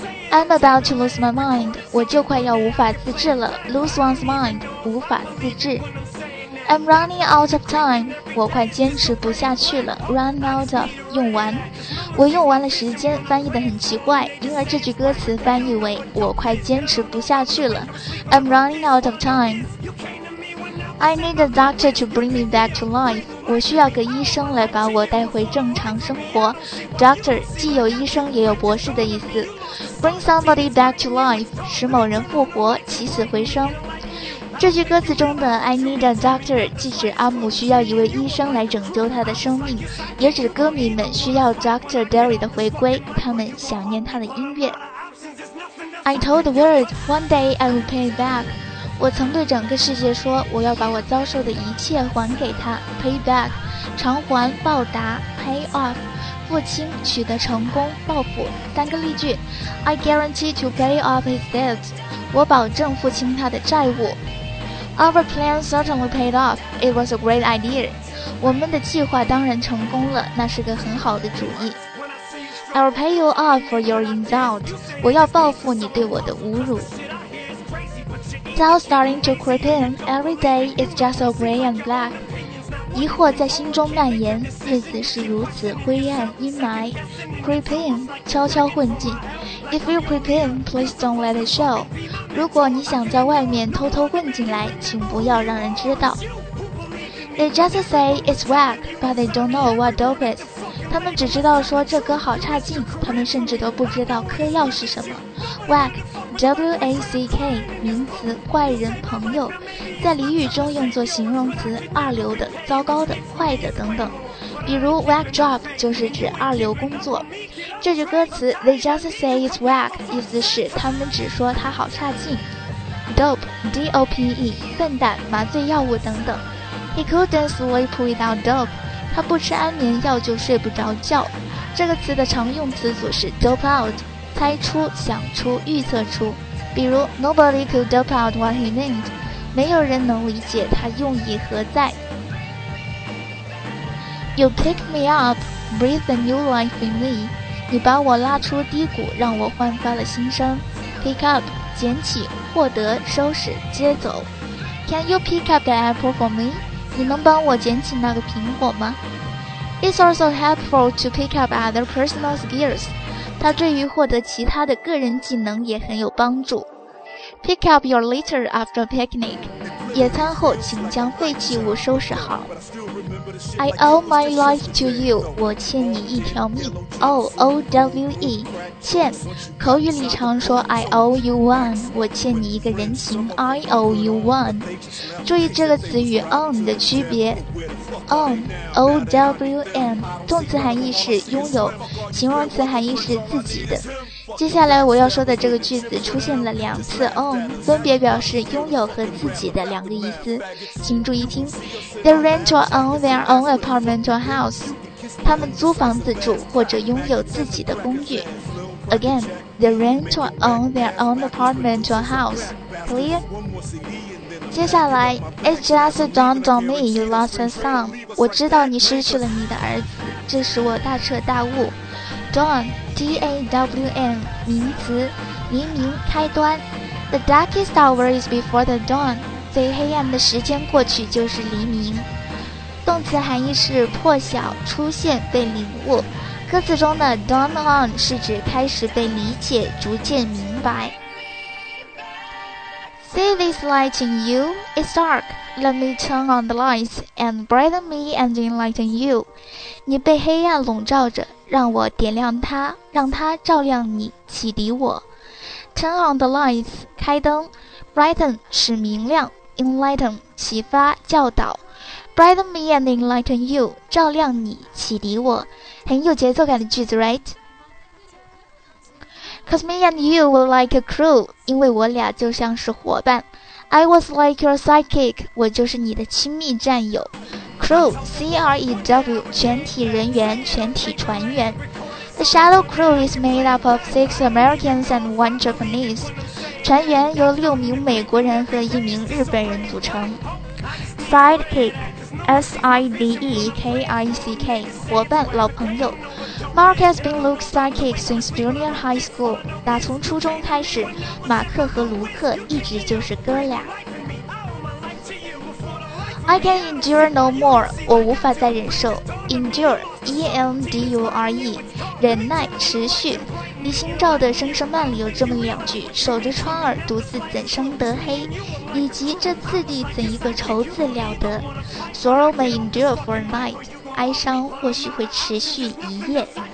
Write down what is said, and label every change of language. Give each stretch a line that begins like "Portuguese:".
English: I'm about to lose my mind,
Chinese: 我就快要无法自制了。
English: Lose one's mind,
Chinese: 无法自制。
English: I'm running out of time,
Chinese: 我快坚持不下去了。
English: Run out of, 用完。
Chinese: 我用完了时间翻译得很奇怪，因而这句歌词翻译为我快坚持不下去了。
English: I'm running out of time. I need a doctor to bring me back to life.
Chinese: 我需要个医生来把我带回正常生活。 Doctor 既有医生也有博士的意思。
English: Bring somebody back to life,
Chinese: 使某人复活，起死回生。这句歌词中的
English: I need a doctor
Chinese: 既指阿姆需要一位医生来拯救他的生命，也指歌迷们需要 Dr. Derry 的回归，他们想念他的音乐。
English: I told the world one day I will pay it back.
Chinese: 我曾对整个世界说，我要把我遭受的一切还给他。
English: Pay back, 偿还、报答。 Pay off, 付清、取得成功、报复。
Chinese: 三个例句。
English: I guarantee to pay off his debt,
Chinese: 我保证付清他的债务。
English: Our plan certainly paid off, it was a great idea,
Chinese: 我们的计划当然成功了，那是个很好的主意。
English: I'll pay you off for your insult,
Chinese: 我要报复你对我的侮辱。
English: Doubt starting to creep in, every day is just so gray and black.
Chinese: 疑惑在心中蔓延，日子是如此灰暗阴霾。
English: Creep in,
Chinese: 悄悄混进。
English: If you creep in, please don't let it show.
Chinese: 如果你想在外面偷偷混进来，请不要让人知道。
English: They just say it's whack, but they don't know what dope is.
Chinese: 他们只知道说这歌好差劲，他们甚至都不知道嗑药是什么。 Whack,W-A-C-K, 名词，怪人、朋友，在俚语中用作形容词，二流的、糟糕的、坏的等等。比如 whack job 就是指二流工作。这句歌词
English: They just say it's whack,
Chinese: 意思是他们只说它好差劲。 Dope, D-O-P-E, 笨蛋、麻醉药物等等。
English: He couldn't sleep without dope,
Chinese: 他不吃安眠药就睡不着觉。这个词的常用词组是 dope out,猜出、想出、预测出。
English: 比如 Nobody could dope out what he meant,
Chinese: 没有人能理解他用意何在。
English: You pick me up, breathe a new life in me,
Chinese: 你把我拉出低谷，让我焕发了新生。 Pick up, 捡起、获得、收拾、接走。
English: Can you pick up the apple for me?
Chinese: 你能帮我捡起那个苹果吗？
English: It's also helpful to pick up other personal skills,
Chinese: 它对于获得其他的个人技能也很有帮助。
English: Pick up your litter after picnic.
Chinese: 野餐后请将废弃物收拾好。
English: I owe my life to you.
Chinese: 我欠你一条命。
English: O-O-W-E. 欠。
Chinese: 口语里常说
English: I owe you one.
Chinese: 我欠你一个人情。
English: I owe you one.
Chinese: 注意这个词与 own 的区别。Own, O-W-N. 动词含义是拥有，形容词含义是自己的。接下来我要说的这个句子出现了两次 own， 分别表示拥有和自己的两个意思。请注意听
English: They rent or own their own apartment or house，
Chinese: 他们租房子住或者拥有自己的公寓。
English: Again, they rent or own their own apartment or house. Clear? 接下来 It just dawned on me you lost a son.
Chinese: 我知道你失去了你的儿子，这使我大彻大悟。 Dawn, D-A-W-N, 名词，黎明，开端。
English: The darkest hour is before the dawn.
Chinese: 最黑暗的时间过去就是黎明。动词含义是破晓，出现，被领悟。歌词中的 dawn on 是指开始被理解，逐渐明白。
English: See this light in you? It's dark. Let me turn on the lights and brighten me and enlighten you.
Chinese: 你被黑暗笼罩着，让我点亮它，让它照亮你，启迪我。 Turn on the lights, 开灯， brighten 使明亮， enlighten 启发，教导。
English: Brighten me and enlighten you，
Chinese: 照亮你，启迪我，很有节奏感的句子 ，right？
English: Cause me and you were like a crew，
Chinese: 因为我俩就像是伙伴。
English: I was like your sidekick，
Chinese: 我就是你的亲密战友。 Crew， C-R-E-W， 全体人员，全体船员。
English: The shadow crew is made up of 6 Americans and 1 Japanese，
Chinese: 船员由六名美国人和一名日本人组成。
English: Sidekick。
Chinese: S-I-D-E-K-I-C-K 伙伴老朋友
English: Mark has been Luke's sidekick since junior high school
Chinese: 打从初中开始马克和卢克一直就是哥俩
English: I can endure no more
Chinese: 我无法再忍受 Endure E-N-D-U-R-E 忍耐持续离心照的声声慢里有这么两句守着窗儿独自怎生得黑以及这次地怎一个愁字了得
English: Sorrow may endure for a night
Chinese: 哀伤或许会持续一夜